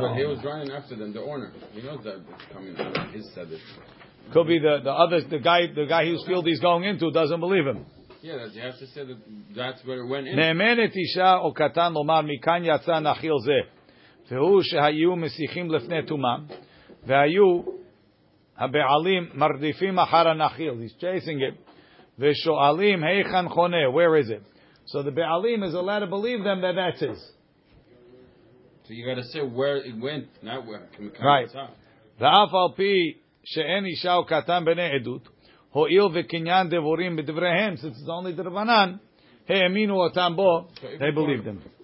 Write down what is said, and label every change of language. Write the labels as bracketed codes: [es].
[en] but he was running after them, the owner. He knows that it's coming out of his tzaddik. Could be the guy whose field he's going into doesn't believe him. Yeah, you have to say that that's where it went in. [he] והוא שהיו מסיחים לפני תומם, והיו הבעלים מרדיפים אחר הנחיל, [en] he's chasing it, [he] ושואלים, היכן חונה, [en] where is it? So the בעלים is allowed to believe them that that's his. So you got to say where it went, not where. Right. [he] ואף על פי שאין אישה או קטן בני עדות, הועיל וקניין דבורים בדבריהם, [en] since it's only the Rabbanan, [he] האמינו אותם בו, [en] they believed them.